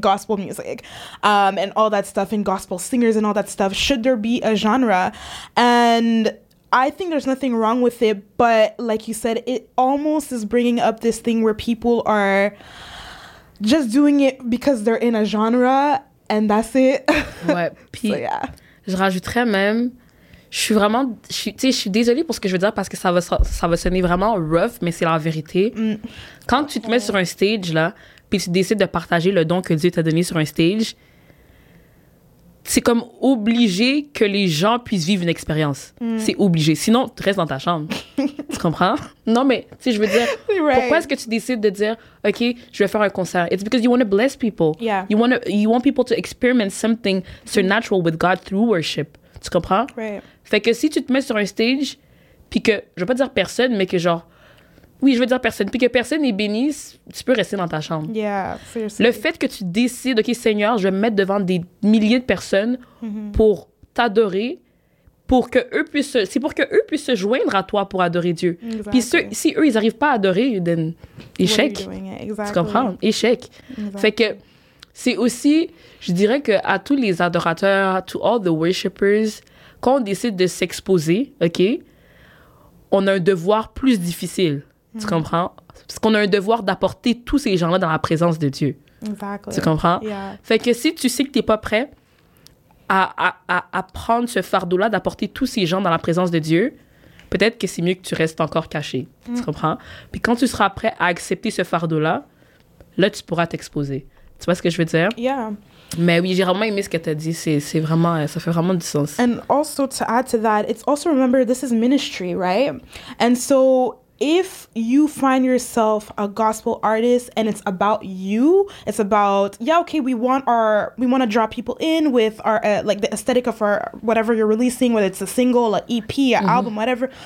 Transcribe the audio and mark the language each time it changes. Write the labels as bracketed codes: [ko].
[en] Gospel music, and all that stuff, and gospel singers and all that stuff. Should there be a genre? And I think there's nothing wrong with it, but like you said, it almost is bringing up this thing where people are just doing it because they're in a genre and that's it. [fr] Ouais, puis [en] so, yeah. [fr] Je rajouterais même, je suis vraiment, tu sais, je suis désolée pour ce que je veux dire parce que ça va sonner vraiment rough, mais c'est la vérité. Quand tu te mets sur un stage là, puis tu décides de partager le don que Dieu t'a donné sur un stage, c'est comme obligé que les gens puissent vivre une expérience. C'est obligé. Sinon, tu restes dans ta chambre. Tu comprends? Non, mais, tu sais, je veux dire, pourquoi est-ce que tu décides de dire, OK, je vais faire un concert? [en] It's because you want to bless people. Yeah. You want people to experience something supernatural with God through worship. [fr] Tu comprends? [en] Right. [fr] Fait que si tu te mets sur un stage, puis que, je veux pas dire personne, mais que genre, oui, je veux dire personne, puis que personne n'est béni, tu peux rester dans ta chambre. [en] Yeah, seriously. [fr] Le fait que tu décides, OK, Seigneur, je vais me mettre devant des milliers de personnes pour t'adorer, pour que eux puissent se joindre à toi pour adorer Dieu. [en] Exactly. [fr] Puis ceux, si eux, ils n'arrivent pas à adorer, [en] then [fr] échec. [en] Exactly. [fr] Tu comprends? Échec. [en] Exactly. [fr] Fait que c'est aussi, je dirais que à tous les adorateurs, [en] to all the worshippers, [fr] quand on décide de s'exposer, OK, on a un devoir plus difficile. Tu comprends? Parce qu'on a un devoir d'apporter tous ces gens-là dans la présence de Dieu. [en] Exactly. [fr] Tu comprends? [en] Yeah. [fr] Fait que si tu sais que t'es pas prêt à prendre ce fardeau-là d'apporter tous ces gens dans la présence de Dieu, peut-être que c'est mieux que tu restes encore caché. Tu comprends? Puis quand tu seras prêt à accepter ce fardeau-là, là, tu pourras t'exposer. Tu vois ce que je veux dire? Yeah. Mais oui, j'ai vraiment aimé ce que t'as dit. C'est vraiment, ça fait vraiment du sens. [en] And also, to add to that, it's also, remember, this is ministry, right? And so, if you find yourself a gospel artist and it's about you, it's about, yeah, okay, we want to draw people in with our, like the aesthetic of our, whatever you're releasing, whether it's a single, an EP, an album, whatever.